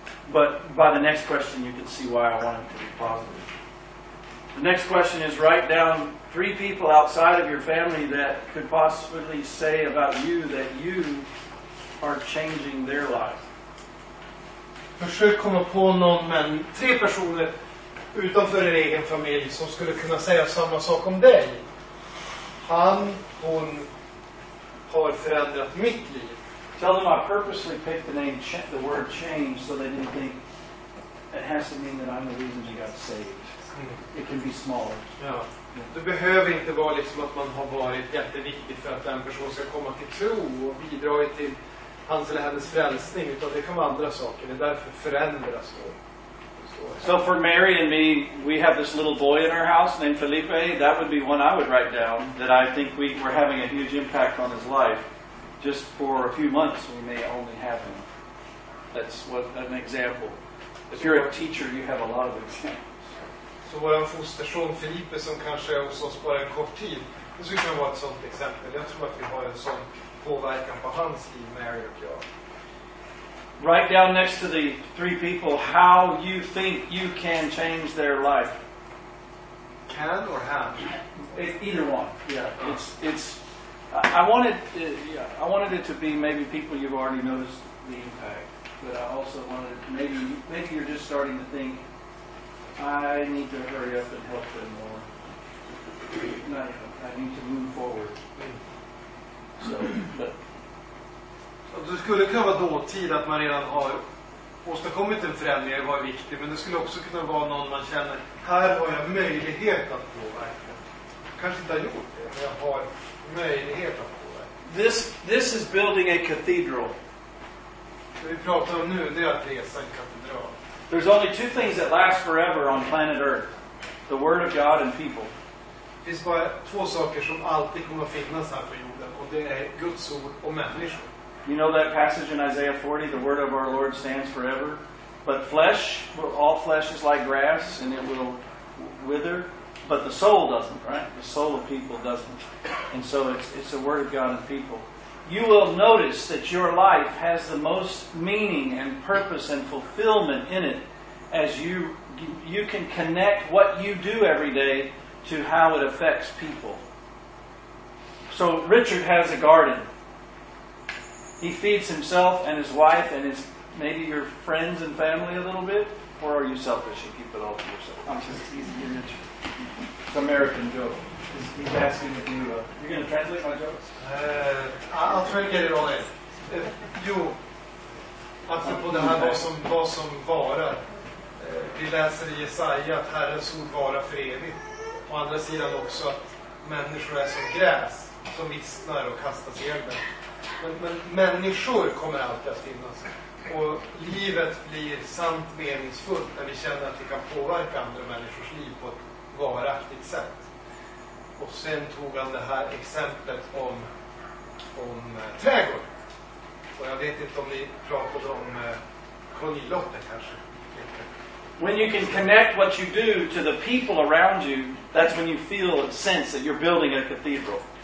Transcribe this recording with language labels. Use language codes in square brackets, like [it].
[en] But by the next question, you can see why I want it to be positive. The next question is, write down three people outside of your family that could possibly say about you that you are changing their life. [sv] Försök komma på någon, men tre personer utanför din egen familj som skulle kunna säga samma sak om dig. Han, hon har förändrat mitt liv. [en] Tell them I purposely picked the name, the word change, so they didn't think it has to mean that I'm the reason you got saved. It can be smaller. [sv] Ja. Du behöver inte vara liksom att man har varit jätteviktig för att den personen ska komma till tro och bidra till hans eller hennes frälsning, utan det kan vara andra saker. Det är därför förändras då. [en] So for Mary and me, we have this little boy in our house named Felipe. That would be one I would write down that I think we're having a huge impact on his life. Just for a few months, we may only have him. That's what an example. If you're a teacher, you have a lot of examples. [sv] So vår fosterson Felipe som kanske är hos oss bara en kort tid, det skulle kunna vara ett sånt exempel. Jag tror att vi har en sån påverkan på hans liv, Mary och jag. [en] Write down next to the three people how you think you can change their life. Can or have? Either one. Yeah. It's. I wanted it to be maybe people you've already noticed the impact, but I also wanted it to maybe you're just starting to think I need to hurry up and help them more. I need to move forward. So, but. [sv] Det skulle kunna vara dåtid att man redan har åstadkommit en förändring och varit viktig, men det skulle också kunna vara någon man känner, här har jag möjlighet att påverka. Kanske inte har gjort det, men jag har möjlighet att påverka. [en] This is building a cathedral. [sv] Det vi pratar om nu, det är att resa en katedral. [en] There's only two things that last forever on planet Earth. The word of God and people. [sv] Det finns bara två saker som alltid kommer att finnas här på jorden, och det är Guds ord och människor. [en] You know that passage in Isaiah 40, the word of our Lord stands forever. But flesh, all flesh is like grass and it will wither. But the soul doesn't, right? The soul of people doesn't. And so it's the word of God and people. You will notice that your life has the most meaning and purpose and fulfillment in it as you can connect what you do every day to how it affects people. So Richard has a garden. He feeds himself and his wife and his maybe your friends and family a little bit, or are you selfish and keep it all to yourself? I'm just teasing you, Richard. It's American joke. He's asking if you you're gonna translate my jokes? I'll try to get it all in. [sv] Jo, apropå det här vad som vara. Vi läser i Jesaja att Herrens ord vara för evigt. På andra sidan också att människor är som gräs som vissnar och kastas i elden. Men människor kommer alltid att finnas. Och livet blir sant meningsfullt när vi känner att vi kan påverka andra människors liv på ett varaktigt sätt. Och sen tog han det här exemplet om trädgård. Och jag vet inte om ni pratade om konjilotter kanske. [en] When you can connect what you do to the people around you, that's when you feel a sense that you're building a cathedral.